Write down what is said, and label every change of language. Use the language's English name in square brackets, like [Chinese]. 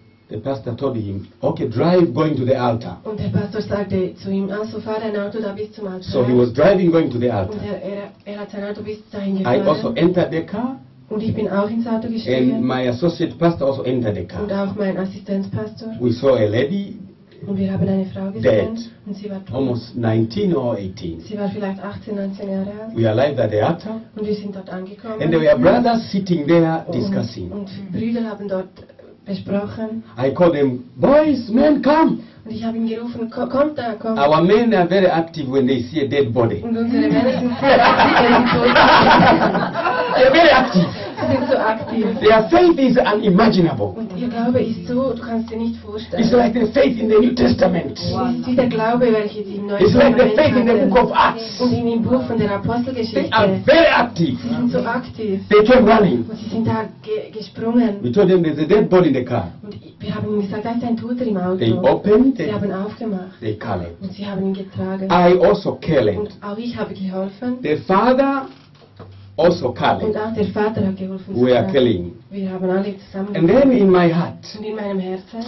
[English] The pastor told him, okay, drive going to the altar. [German] Und der Pastor sagte zu ihm, also fahr ein Auto da bis zum Altar. [English] So he was driving going to the altar. [German] Und er hat sein Auto bis dahin gefahren. [English] I also entered the car. [German] Und ich bin auch ins Auto gestiegen. [English] And my associate pastor also entered the car. [German] Und auch mein Assistenzpastor. [English] We saw a lady. [German] Und wir haben eine Frau gesehen. [English] Dead. [German] Und sie war tot. [English] Almost 19 or 18. [German] Sie war vielleicht 18, 19 Jahre alt. [English] We arrived at the altar. [German] Und wir sind dort angekommen. [English] And there were brothers sitting there discussing. [German] Und Brüder haben dort besprochen. [English] I called them, boys, men, come. [German] Und ich habe ihn gerufen, kommt. [English] Our men are very active when they see a dead body. [German] Und unsere Männer sind sehr aktiv, wenn sie tot sind. [English] They're very active. [German] Sie sind so aktiv. [English] Their faith is unimaginable. [German] Und ihr Glaube ist so, du kannst dir nicht vorstellen. [English] It's like the faith in the New Testament. Wow. [German] Es ist wie der Glaube, welches im Neuen Testament. [English] It's like the faith in the Book of Acts. [German] Und in dem Buch von der Apostelgeschichte. [English] They are very active. [German] Sie sind so aktiv. [English] They came running. [German] Und sie sind da gesprungen. [English] We told them there's a dead body in the car. [German] Und wir haben ihnen gesagt, da ist ein Toter im Auto. [English] They opened. [German] Sie haben aufgemacht. [English] They called. [German] Und sie haben ihn getragen. [English] I also called. [German] Und auch ich habe geholfen. [English] The father also Caleb, [German] und auch der Vater hat geholfen, [English] we are killing. [German] Wir haben alle zusammen. [English] And then in my heart, [German] und in meinem Herzen,